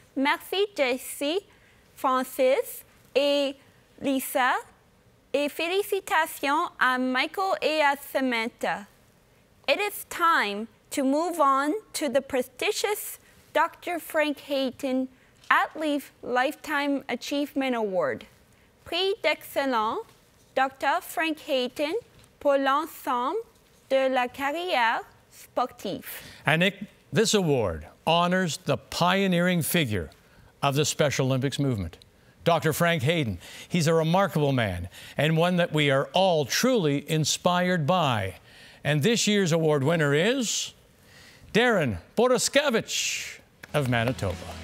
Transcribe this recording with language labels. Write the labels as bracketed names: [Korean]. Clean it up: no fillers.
[French] Merci, Jesse, Francis, et Lisa, et félicitations à Michael et à Samantha. [English] It is time to move on to the prestigious Dr. Frank Hayton Athlete Lifetime Achievement Award. [French] Prix d'excellence, Dr. Frank Hayton, pour l'ensemble de la carrière sportive. [English] And this award honors the pioneering figure of the Special Olympics movement, Dr. Frank Hayton. He's a remarkable man and one that we are all truly inspired by. And this year's award winner is Darren Boruskevich of Manitoba.